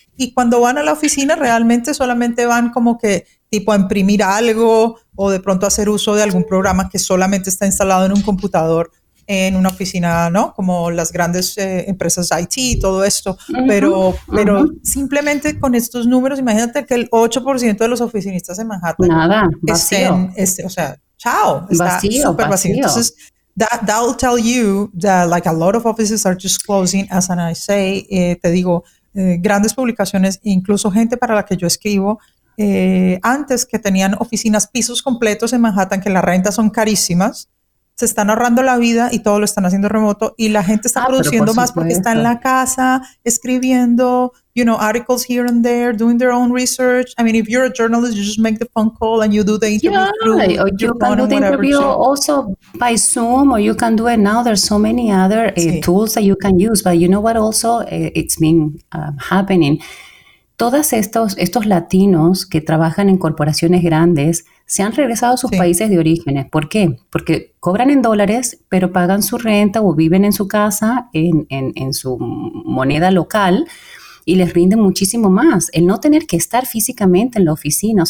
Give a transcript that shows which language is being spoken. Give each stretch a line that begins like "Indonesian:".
Spanish: Y cuando van a la oficina, realmente solamente van como que tipo a imprimir algo o de pronto hacer uso de algún programa que solamente está instalado en un computador en una oficina, ¿no? Como las grandes empresas IT y todo esto. Pero simplemente con estos números, imagínate que el 8% de los oficinistas en Manhattan estén vacío. Entonces,
English: that will tell you that like a lot of offices are just closing, as I say.
Spanish: Te digo, grandes publicaciones, incluso gente para la que yo escribo, antes que tenían oficinas, pisos completos en Manhattan, que las rentas son carísimas, se están ahorrando la vida y todo lo están haciendo remoto, y la gente está produciendo más porque está en la casa, escribiendo,
English: you know, articles here and there, doing their own research. I mean, if you're a journalist, you just make the phone call and you do the interview. Also by Zoom, or you can do it now. There's so many other tools that you can use. But you know what also it's been happening?
Spanish: Todos estos latinos que trabajan en corporaciones grandes se han regresado a sus países de orígenes. ¿Por qué? Porque cobran en dólares, pero pagan su renta o viven en su casa, en su moneda local, y les rinde muchísimo más el no tener que estar físicamente en la oficina.